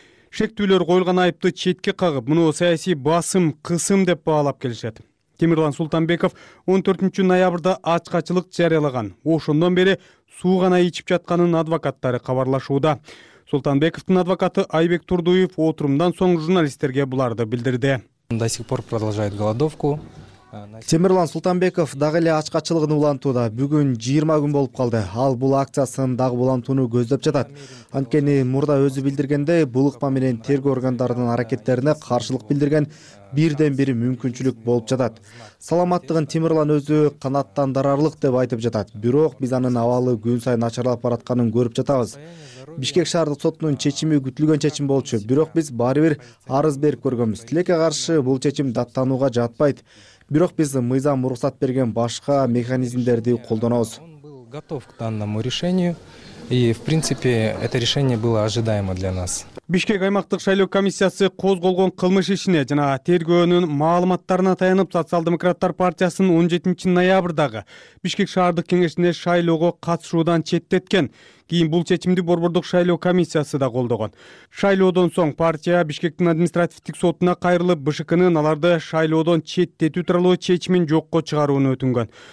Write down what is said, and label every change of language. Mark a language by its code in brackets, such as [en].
[ky] Шектүүлөр коюлган айыпты четке кагып, муну саясий басым, кысым деп баалап келишет. Темирлан Султанбеков 14 ноябрда ачкачылык жарыялаган. Ошондон бери суу гана ичип жатканын адвокаттары кабарлашууда. Султанбековдун адвокаты Айбек Турдуев отурумдан соң журналисттерге буларды билдирди. [ru] До сих пор продолжает голодовку. [ky] Темирлан Султанбеков дагы эле ачкачылыгын улантууда. Бүгүн 20 күн болуп калды. Ал бул акциясын дагы улантууну көздөп жатат. Анткени мурда өзү билдиргендей, бул ыкма менен тергөө органдарынын аракеттерине каршылык билдирген бирден бир мүмкүнчүлүк болуп жатат. Саламаттыгын Темирлан өзү канааттандырарлык деп айтып жатат. Бирок биз анын абалы күн сайын начарлап баратканын көрүп жатабыз. Бишкек шаардык сотунун чечими күтүлгөн чечим болчу, бирок биз баары бир арыз берип көргөнбүз. Тилекке каршы бул чечим даттанууга жатпайт. Бирок биз мыйзам уруксат берген башка механизмдерди колдонобуз. [ru] Он был готов к данному решению, и в принципе это решение было ожидаемо для нас. [ky] Бишкек аймактык шайлоо комиссиясы козголгон кылмыш ишине жана тергөөнүн маалыматтарына таянып, Социал-демократтар партиясын 17 ноябрдагы Бишкек шаардык кеңешинде шайлоого катышуудан четтеткен. Кийин бул чечимди борбордук шайлоо комиссиясы да колдогон. Шайлоодон соң партия Бишкектин административдик сотуна кайрылып, БШКнын аларды шайлоодон четтетүү тууралуу чечимин жокко чыгарууну өтүнгөн.